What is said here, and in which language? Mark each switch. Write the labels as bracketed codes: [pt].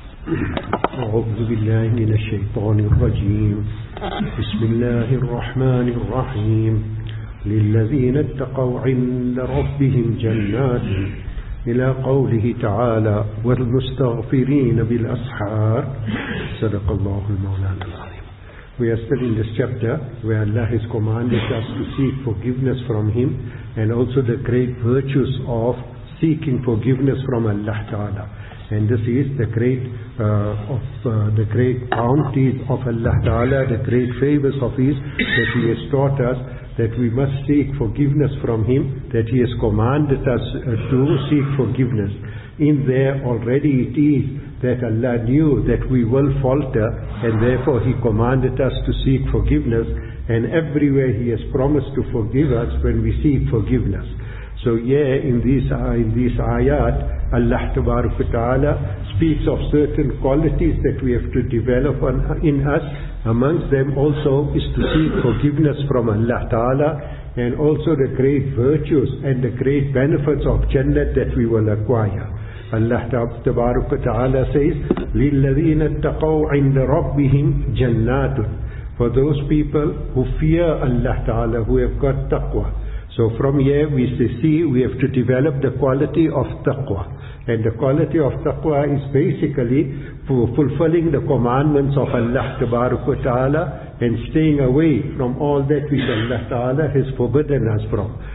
[ar] أعوذ بالله من الشيطان الرجيم. بسم الله الرحمن الرحيم. للذين اتقوا عند ربهم جنات, إلى قوله تعالى والمستغفرين بالأسحار. صدق الله المولانا العظيم. [en] We are still in this chapter where Allah has commanded us to seek forgiveness from Him and also the great virtues of seeking forgiveness from Allah Ta'ala. And this is the great the great bounties of Allah Ta'ala, the great favors of His, that He has taught us that we must seek forgiveness from Him, that He has commanded us to seek forgiveness. In there already it is that Allah knew that we will falter, and therefore He commanded us to seek forgiveness, and everywhere He has promised to forgive us when we seek forgiveness. So yeah, in these ayat, Allah Ta'ala speaks of certain qualities that we have to develop in us. Amongst them also is to seek forgiveness from Allah Ta'ala, and also the great virtues and the great benefits of Jannah that we will acquire. Allah Ta'ala says, [ar] لِلَّذِينَ اتَّقَوْا عِنْدَ رَبِّهِمْ جَنَّاتٌ. [en] For those people who fear Allah Ta'ala, who have got taqwa. So from here we see we have to develop the quality of taqwa. And the quality of taqwa is basically fulfilling the commandments of Allah Ta'ala and staying away from all that which Allah Ta'ala has forbidden us from.